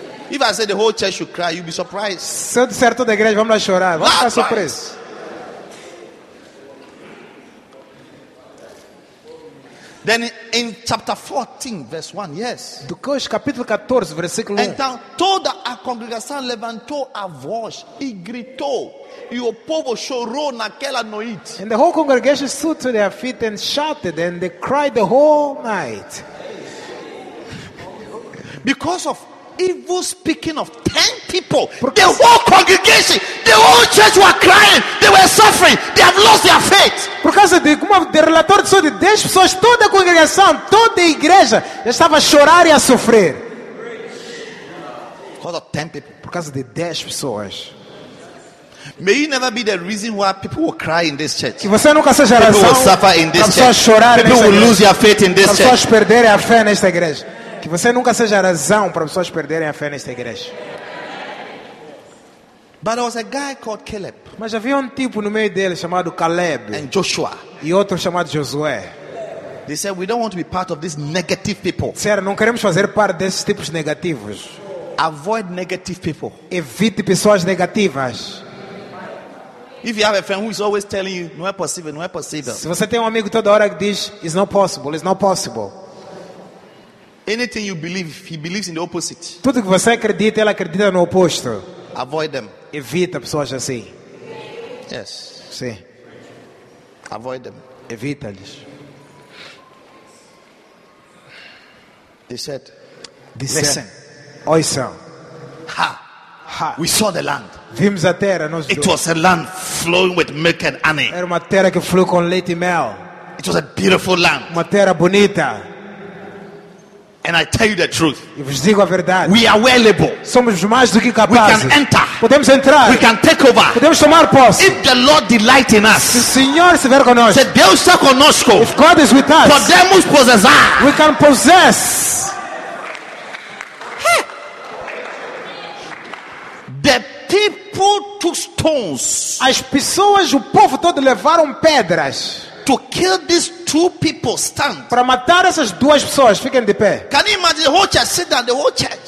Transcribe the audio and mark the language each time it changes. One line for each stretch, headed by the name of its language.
English: If I said the whole church should cry, you'd be surprised.
Portuguese: Se eu disser toda a igreja, vamos lá chorar. Vamos ficar surpresos.
English: Then in chapter 14, verse 1, yes.
Portuguese: Depois, capítulo 14, versículo 1. Então toda a congregação levantou a voz e gritou. E o povo chorou naquela noite.
English: And the whole congregation stood to their feet and shouted and they cried the whole night. Because of evil speaking of 10 people. Porque the whole congregation, the whole church were crying. They were suffering. They have lost their faith.
Portuguese: Por causa de relator de 10 pessoas, toda a congregação, toda a igreja já estava a chorar e a sofrer.
English: Because of 10 people.
Portuguese: Por causa de 10 pessoas.
English: May you never be the reason why people will cry in this church.
Portuguese: Que você nunca seja a
English: people
Portuguese: razão.
English: Will suffer in this
Portuguese: pessoas
English: church.
Portuguese: Chorar
English: people
Portuguese: nesta
English: will
Portuguese: igreja.
English: Lose their faith in this
Portuguese: pessoas
English: church.
Portuguese: Perderem a fé nesta igreja. Que você nunca seja a razão para pessoas perderem a fé nesta igreja.
English: But there was a guy called Caleb.
Portuguese: Mas havia tipo no meio dele chamado Caleb.
English: And Joshua.
Portuguese: E outro chamado Josué.
English: They said we don't want to be part of these negative people.
Portuguese: Disseram, não queremos fazer parte desses tipos negativos.
English: Avoid negative people.
Portuguese: Evite pessoas negativas.
English: If you have a friend who is always telling you,
Portuguese: não é possível, não é possível. Se você tem amigo toda hora que diz,
English: it's not possible, it's not possible. Anything you believe, he believes in the opposite.
Portuguese: Tudo que você acredita, ele acredita no oposto.
English: Avoid them.
Portuguese: Evita pessoas assim.
English: Yes.
Portuguese: Sim.
English: Avoid them.
Portuguese: Evita-lhes.
English: They said, listen.
Portuguese: Ouçam. Ha. Ha.
English: We saw the land.
Portuguese: Vimos a terra, nós
English: it was a land flowing with milk and honey.
Portuguese: Era uma terra que flui com leite e mel.
English: It was a beautiful land.
Portuguese: Uma terra bonita.
English: And I tell you the truth.
Portuguese: Eu vos digo a verdade.
English: We are well able.
Portuguese: Somos mais do que capazes.
English: We can enter.
Portuguese: Podemos entrar.
English: We can take over.
Portuguese: Podemos tomar posse.
English: If the Lord delight in us.
Portuguese: Se o Senhor estiver conosco. Se Deus está conosco.
English: If God is with us.
Portuguese: Podemos possessar.
English: We can possess. Hey. The people took stones.
Portuguese: As pessoas, o povo todo levaram pedras.
English: To kill these two people, stand.
Portuguese: Para matar essas duas pessoas, fiquem de pé.
English: Can you imagine the whole church? Sit down, the whole church.